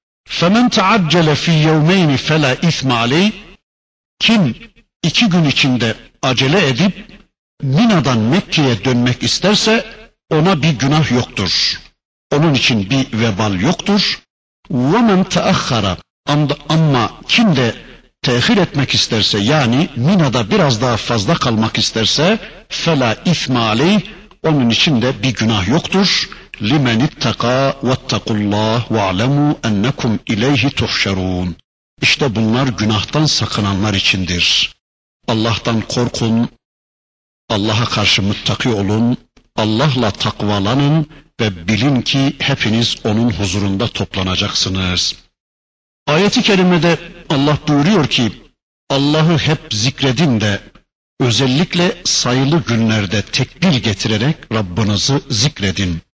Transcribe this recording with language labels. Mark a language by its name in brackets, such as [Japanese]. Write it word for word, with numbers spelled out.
[Arabic] فَمَنْ تَعَجَّلَ فِي يَوْمَيْنِ فَلَا اِثْمَ عَلَيْهِ [Turkish] kim iki gün içinde acele edip Mina'dan Mekke'ye dönmek isterse ona bir günah yoktur. Onun için bir vebal yoktur. [Arabic] وَمَنْ تَأَخَّرَ [Turkish] ama kim de tehir etmek isterse, yani Mina'da biraz daha fazla kalmak isterse [Arabic] فَلَا اِثْمَ عَلَيْهِ [Turkish] onun için de bir günah yoktur. [Arabic] لِمَنِ اتَّقَى وَاتَّقُوا اللّٰهِ وَاعْلَمُوا اَنَّكُمْ اِلَيْهِ تُحْشَرُونَ [Turkish] İşte bunlar günahtan sakınanlar içindir. Allah'tan korkun, Allah'a karşı muttaki olun, Allah'la takvalanın ve bilin ki hepiniz onun huzurunda toplanacaksınız. Ayet-i kerimede Allah buyuruyor ki Allah'ı hep zikredin de özellikle sayılı günlerde tekbir getirerek Rabbinizi zikredin.